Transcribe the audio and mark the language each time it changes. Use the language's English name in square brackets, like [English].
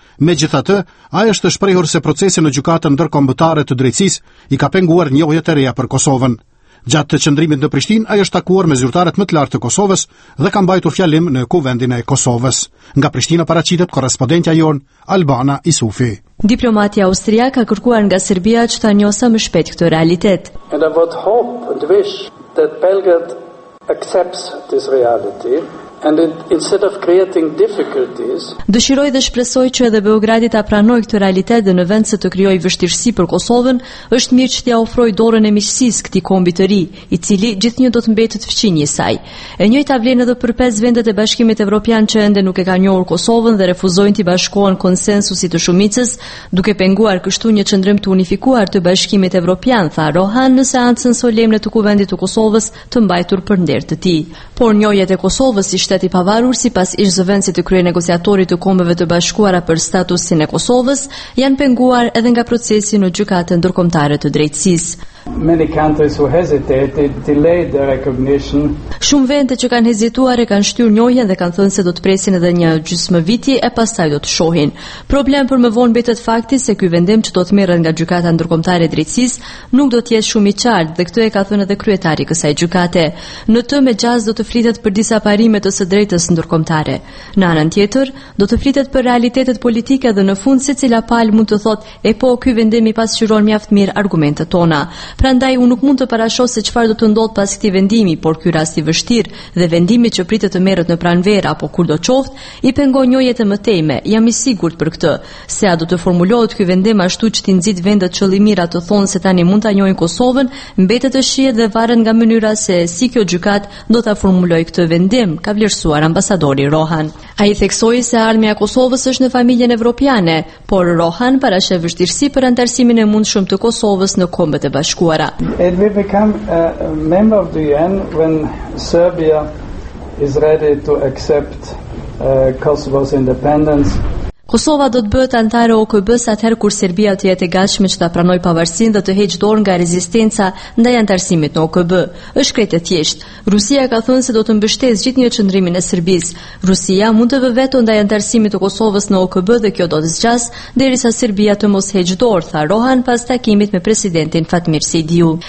[Albanian] Megjithatë, ai është shprehur se procesi në gjykatën ndërkombëtare të drejtësisë i ka penguar njohje të reja për Kosovën. Gjatë të qëndrimit në Prishtinë, ai është takuar me zyrtarët më të lartë të Kosovës dhe ka mbajtur fjalim në kuvendin e Kosovës. Nga Prishtina paraqitet korrespondentja jon Albana Isufi. Diplomati austriak ka kërkuar nga Serbia që ta njohë më shpejt këtë realitet. [English] And I would hope and wish that Belgrade accepts this reality. And instead of creating difficulties, [Albanian] dëshiroj dhe shpresoj që edhe Beogradi ta pranoj këtë realitet dhe në vend se të krijoj vështirësi për Kosovën, është mirë që t'ia ofroj dorën e miqësisë këtij kombi të ri, i cili gjithnjë do të mbetet fqinjë i saj. E njëjta vlen edhe për 5 vendet e Bashkimit Evropian që ende nuk e kanë njohur Kosovën dhe refuzojnë t'i bashkohen konsensusit të shumicës, duke penguar kështu një çndrim të unifikuar të Bashkimit Evropian, tha Rohan në seancën solemne të Kuvendit të Kosovës të mbajtur për nder të tij. Por njohjet e Kosovës shteti pavarur sipas ish zëvendësit të krye negociatorit të kombeve të bashkuara për statusin e Kosovës janë penguar edhe nga procesi në gjykatën ndërkombëtare të drejtësisë. [English] Many countries who hesitated delayed the recognition. [Albanian] Shumë vende që kanë hezituar e kanë shtyrë njohjen dhe kanë thënë se do të presin edhe një gjysmë viti e pastaj do të shohin. Problem për më vonë mbetet fakti se ky vendim që do të merret nga gjykata ndërkombëtare e drejtësisë nuk do të jetë shumë i qartë dhe këtë e ka thënë edhe kryetari i kësaj gjykate. Në të me gjas do të flitet për disa parime të së drejtës ndërkombëtare. Në anën tjetër, do të flitet për realitetet politike dhe në fund secila palë mund të thotë e po ky vendim i pasqyron mjaft mirë argumentet tona. Prandaj unë nuk mund të parashoh se çfarë do të ndodhë pas këtij vendimi, por ky rast i vështirë dhe vendimi që pritet të merret në pranverë apo kurdo qoftë, i pengon njohjet e mëtejme. Jam i sigurt për këtë, se a do të formulohet ky vendim ashtu që t'i nxit vendet çollimira të thonë se tani mund ta njohin Kosovën, mbetet të shihet dhe varet nga mënyra se si kjo gjykat do ta formulojë këtë vendim, ka vlerësuar ambasadori Rohan. Ai theksoi se armia e Kosovës është në familjen evropiane, por Rohan parashoh vështirësi për antarësimin e mundshëm të Kosovës në kombet e bashkuara. [English] It will become a member of the UN when Serbia is ready to accept Kosovo's independence. [Albanian] Kosova do të bëhet antare OKB-s atëherë kur Serbia të jetë e gatshme që ta pranojë pavarësinë dhe të heqë dorë nga rezistenca ndaj antarësimit në OKB. Është krejtë e thjeshtë. Rusia ka thënë se do të mbështesë gjithnjë çndrimin e Serbisë. Rusia mund të vë veto ndaj antarësimit të Kosovës në OKB dhe kjo do të zgjasë derisa Serbia të mos heqë dorë, tha Rohan pas takimit me presidentin Fatmir Sejdiu.